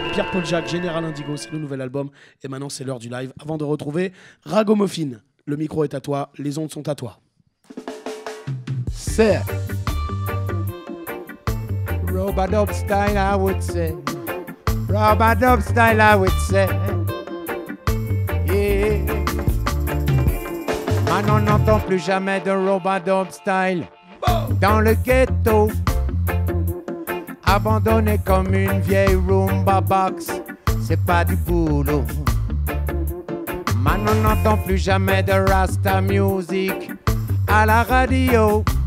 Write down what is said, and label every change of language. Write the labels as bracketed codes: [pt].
[fr] Michael Jack, Général Indigo, c'est le nouvel album. Et maintenant, c'est l'heure du live. Avant de retrouver Ragamuffin, le micro est à toi, les ondes sont à toi. [en] Sir. Robadop style, I would say. Robadop style, I would say. Yeah. [fr] Maintenant, on n'entend plus jamais de Robadop style. Dans le ghetto, abandonné comme une vieille Roomba box, c'est pas du boulot. Maintenant, on n'entend plus jamais de Rasta music à la radio.